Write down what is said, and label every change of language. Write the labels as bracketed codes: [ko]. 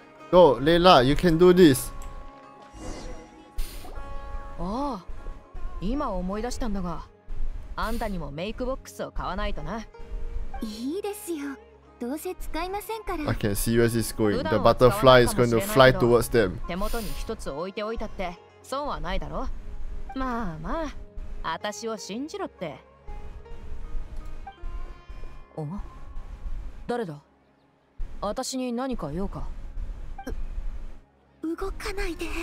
[en] Go, Leila, you can do this. [ja] ああ、今思い出したんだが、あんたにもメイクボックスを買わないとな。いいですよ。どうせ使いませんから。 [en] I can see where this is going. The butterfly is going to fly towards them. [ja] 手元に一つ置いておいたって損はないだろ。まあまあ、私を信じろって。お、誰だ。私に何か用か。動かないで。